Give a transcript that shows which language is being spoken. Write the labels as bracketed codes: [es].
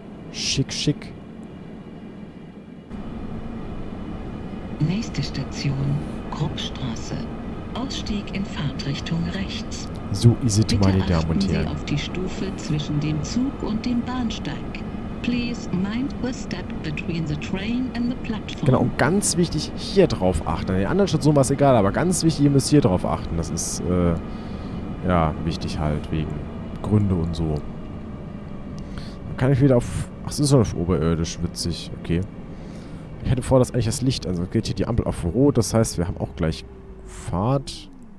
[de] Schick, schick. Nächste Station, Kruppstraße. Ausstieg in Fahrtrichtung rechts. So ist es, meine Damen und Herren. Bitte achten Sie auf die Stufe zwischen dem Zug und dem Bahnsteig. [en] Please mind the step between the train and the platform. [de] Genau, und ganz wichtig, hier drauf achten. An den anderen Stationen war es egal, aber ganz wichtig, ihr müsst hier drauf achten. Das ist, ja, wichtig halt, wegen Gründe und so. Dann kann ich wieder auf... Ach, es ist schon auf oberirdisch, witzig, okay. Ich hätte vor, dass eigentlich das Licht... Also geht hier die Ampel auf rot, das heißt, wir haben auch gleich Fahrt.